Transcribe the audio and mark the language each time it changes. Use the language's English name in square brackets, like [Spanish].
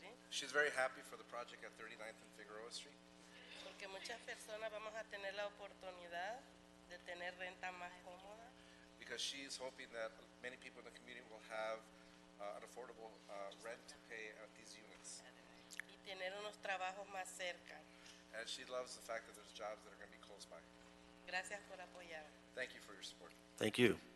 [English] She's very happy for the project at 39th and Figueroa Street. [Spanish] Porque muchas personas vamos a tener la oportunidad de tener renta más cómoda. [English] Because she is hoping that many people in the community will have an affordable rent to pay at these units. [Spanish] Y tener unos trabajos más cerca. [English] And she loves the fact that there's jobs that are going to be close by. [Spanish] Gracias por apoyar. [English] Thank you for your support. Thank you.